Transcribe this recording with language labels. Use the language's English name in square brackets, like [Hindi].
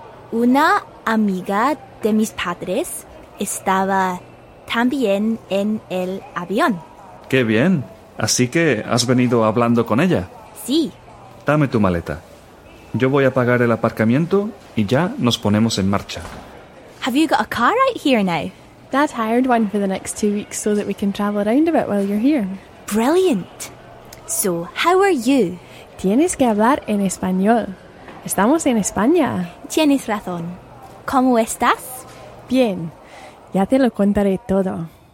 [Spanish] Una amiga de mis padres estaba también en el avión. ¡Qué bien! Así que has venido hablando con ella. Sí. Dame tu maleta. Yo voy a pagar el aparcamiento y ya nos ponemos en marcha. [English] Have you got a car right here now? Dad hired one for the next 2 weeks so that we can travel around a bit while you're here. Brilliant. So, how are you? [Spanish] Tienes que hablar en español. Estamos en España. Tienes razón. ¿Cómo estás? Bien. Ya te lo contaré todo.